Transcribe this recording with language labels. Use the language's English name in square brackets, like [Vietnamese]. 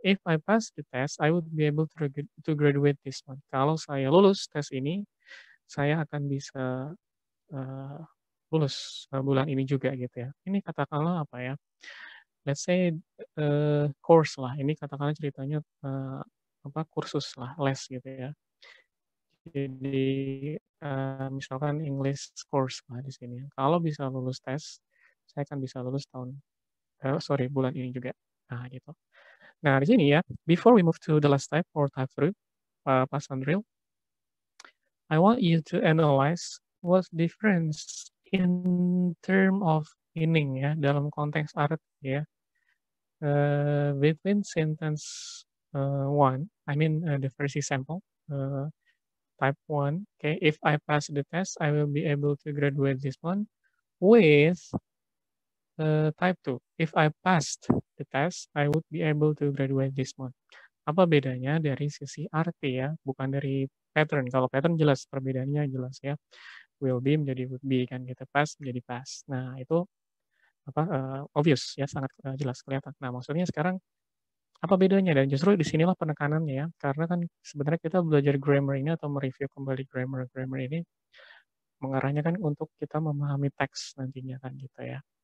[English] If I pass the test, I would be able to graduate this month. [Indonesian] Kalau saya lulus tes ini, saya akan bisa lulus bulan ini juga gitu ya. Ini katakanlah apa ya? [English] Let's say course lah. [Indonesian] Ini katakanlah ceritanya apa kursus lah, les gitu ya. Jadi misalkan English course lah di sini. Kalau bisa lulus tes, saya akan bisa lulus tahun sorry bulan ini juga. Nah gitu. [English] Nah di sini ya, before we move to the last type or type 3, past unreal, I want you to analyze what difference in term of meaning ya, [Indonesian] dalam konteks arti ya, [English] between sentence one, I mean the first example, type one, okay, if I pass the test, I will be able to graduate this one, with type two, if I passed the test, I would be able to graduate this one. [Indonesian] Apa bedanya dari sisi arti ya, bukan dari pattern. Kalau pattern jelas, perbedaannya jelas ya. Will be menjadi would be kan gitu, pass menjadi pass. Nah itu apa obvious ya, sangat jelas kelihatan. Nah maksudnya sekarang apa bedanya, dan justru disinilah penekanannya ya, karena kan sebenarnya kita belajar grammar ini atau mereview kembali grammar grammar ini mengarahnya kan untuk kita memahami teks nantinya kan gitu ya.